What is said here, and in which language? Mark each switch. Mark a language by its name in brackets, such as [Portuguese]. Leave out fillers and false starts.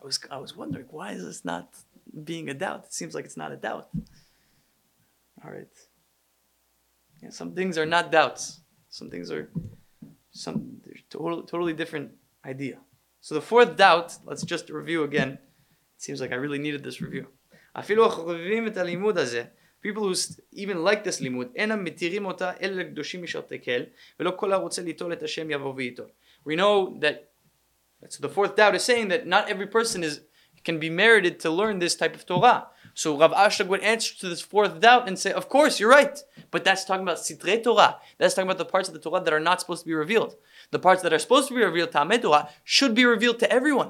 [English] I was wondering, why is this not being a doubt? It seems like it's not a doubt. All right. Yeah, some things are not doubts. Some things are totally different idea. So the fourth doubt, let's just review again. It seems like I really needed this review. [Hebrew] אפילו החובבים את הלימוד הזה, [English] people who even like this [Hebrew] לימוד, אינם מתירים אותה אלא לקדושים משרתקל, ולא כל הרוצה ליטול את השם יבוא ויטול. [English] We know that, so the fourth doubt is saying that not every person can be merited to learn this type of Torah. So Rav Ashlag would answer to this fourth doubt and say, of course, you're right. But that's talking about Sitre Torah. That's talking about the parts of the Torah that are not supposed to be revealed. The parts that are supposed to be revealed, Ta'amei Torah, should be revealed to everyone.